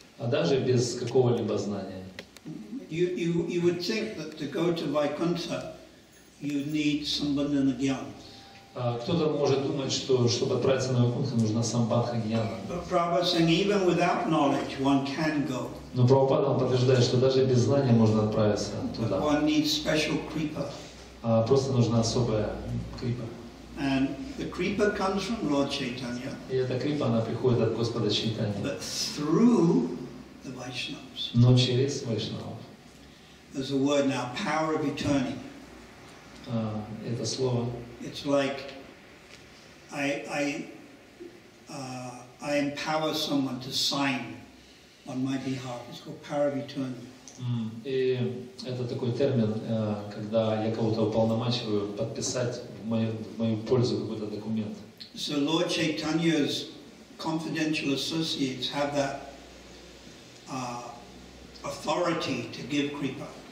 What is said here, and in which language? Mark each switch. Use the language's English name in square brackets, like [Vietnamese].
[Russian] А даже без какого-либо знания. [English] You would think that to go to Vaikuntha, you need sambandhana jnana. [Russian] Кто-то может думать, что чтобы отправиться на Вайкунтху, нужна самбандха гьяна. [English] But Prabhupada saying even without knowledge, one can go. [Russian] Но Прабхупада подтверждает, что даже без знания можно отправиться туда. [English] But one needs special kripa. [Russian] Просто нужна особая крипа. [English] And the kripa comes from Lord Chaitanya. [Russian] И эта крипа она приходит от Господа Чайтаньи. [English] But through the Vaishnavas. [Russian] Но через Вайшнавов. [English] There's a word now, power of eternity. [Russian] Это слово. [English] It's like I empower someone to sign on my behalf. It's called power of eternity. [Russian] И это такой термин, когда я кого-то уполномачиваю подписать в мою пользу какой-то документ. [English] So Lord Chaitanya's confidential associates have that authority to give kripa.